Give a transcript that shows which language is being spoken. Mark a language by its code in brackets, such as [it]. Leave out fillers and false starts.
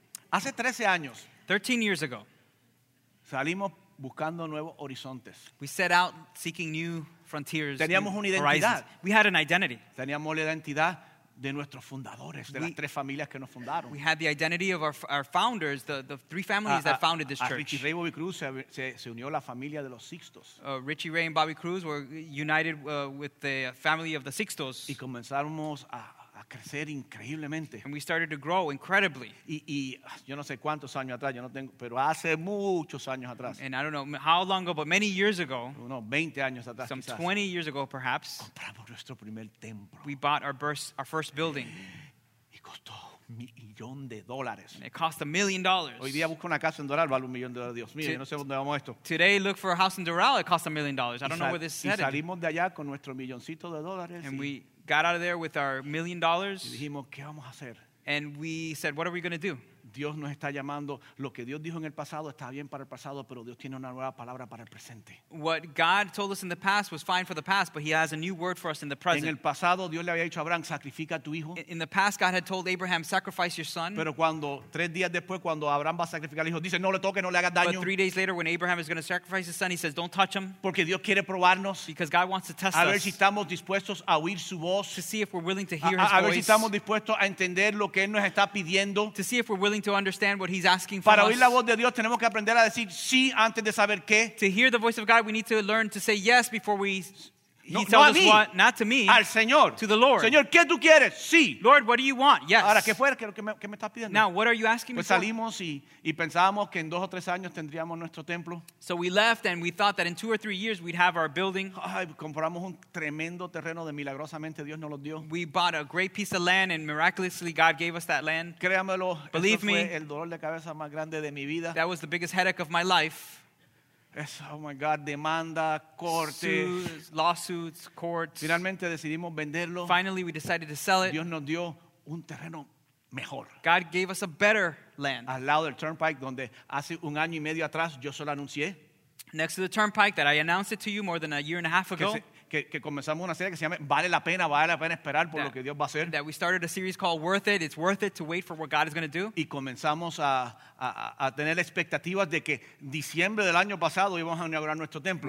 [es] Hace 13 años. [en] 13 years ago. [es] Salimos buscando nuevos horizontes. [en] We set out seeking new frontiers. [es] Teníamos [en] new [es] una identidad. [en] Horizons. We had an identity. [es] Teníamos la identidad de nuestros fundadores, de las tres familias que nos fundaron. [en] We had the identity of our founders, the three families that founded this church. [es] Richie Ray y Bobby Cruz se unió la familia de los Sixtos. [en] Richie Ray and Bobby Cruz were united with the family of the Sixtos. [es] Y comenzamos a crecer increíblemente. [en] And we started to grow incredibly. [es] Y yo no sé cuántos años atrás, yo no tengo, pero hace muchos años atrás. [en] And I don't know how long ago, but many years ago. [es] Unos 20 años atrás, [en] some [es] quizás, [en] 20 years ago, perhaps. [es] Compramos nuestro primer templo. [en] We bought our first building. [es] Y costó $1,000,000 de dólares. [en] And it cost $1,000,000. [es] Hoy día busco una casa en Doral, vale $1,000,000. Dios mío, yo no sé dónde vamos esto. [en] Today, look for a house in Doral, it cost $1,000,000. I don't know where this is headed. [es] Y salimos de allá con nuestro milloncito de dólares. [en] And we got out of there with our $1,000,000. [es] Y dijimos, ¿qué vamos a hacer? [en] And we said, what are we going to do? [es] Dios nos está llamando. Lo que Dios dijo en el pasado está bien para el pasado, pero Dios tiene una nueva palabra para el presente. [en] What God told us in the past was fine for the past, but he has a new word for us in the present. [es] En el pasado Dios le había dicho a Abraham, sacrifica a tu hijo. [en] In the past God had told Abraham, sacrifice your son. [es] Pero cuando, tres días después, cuando Abraham va a sacrificar al hijo, dice, no le toque, no le hagas daño. [en] But 3 days later, when Abraham is going to sacrifice his son, he says, don't touch him. [es] Porque Dios quiere probarnos. [en] Because God wants to test us. [es] A ver si estamos dispuestos a oír su voz. [en] To see if we're willing to hear his voice. [es] A ver si estamos dispuestos a entender lo que él nos está pidiendo. [en] To see if we're willing to understand what he's asking for us. [es] Para oír la voz de Dios tenemos que aprender a decir sí antes de saber qué. [en] To hear the voice of God, we need to learn to say yes before we not to me, [es] al Señor, [en] to the Lord. [es] Señor, ¿qué tú quieres? Sí. [en] Lord, what do you want? Yes. [es] Ahora, ¿qué fuera? ¿Qué me estás pidiendo? [en] Now, what are you asking [es] pues [en] me? [es] Pues salimos y pensábamos que en dos o tres años tendríamos nuestro templo. [en] So we left and we thought that in 2 or 3 years we'd have our building. [es] Ay, compramos un tremendo terreno de milagrosamente Dios nos lo dio. [en] We bought a great piece of land and miraculously God gave us that land. [es] Créamelo, [en] believe me, [es] el dolor de cabeza más grande de mi vida. [en] That was the biggest headache of my life. Oh my God, [es] demanda, cortes, [en] suits, lawsuits, courts. [es] Finalmente decidimos venderlo. [en] Finally, we decided to sell it. [es] Dios nos dio un terreno mejor. [en] God gave us a better land. [es] Al lado del turnpike, donde hace un año y medio atrás yo solo anuncié. [en] Next to the turnpike that I announced it to you more than a year and a half ago. [es] Que comenzamos una serie que se llama Vale la pena esperar por lo que Dios va a hacer. [en] That we started a series called Worth It. It's worth it to wait for what God is going to do. [es] Y comenzamos a tener expectativas de que diciembre del año pasado íbamos a inaugurar nuestro templo.